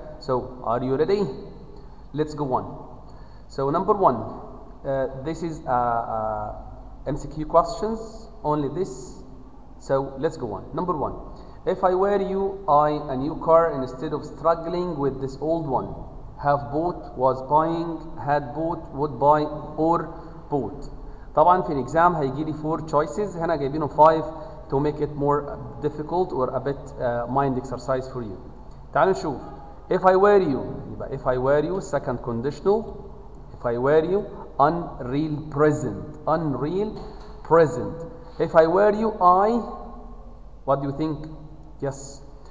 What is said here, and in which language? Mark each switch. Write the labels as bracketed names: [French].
[English] So, are you ready? Let's go on. So, number one, this is MCQ questions. Only this. So let's go on. Number one, if I were you, I a new car instead of struggling with this old one. Have bought, was buying, had bought, would buy, or bought. [Arabic] طبعا في الإجزام هيجي لي [English] four choices. [Arabic] هنا جايبينه [English] five to make it more difficult or a bit mind exercise for you. [Arabic] تعالوا نشوف. [English] If I were you, if I were you, second conditional. If I were you, unreal present, unreal present. If I were you, I, what do you think? Yes.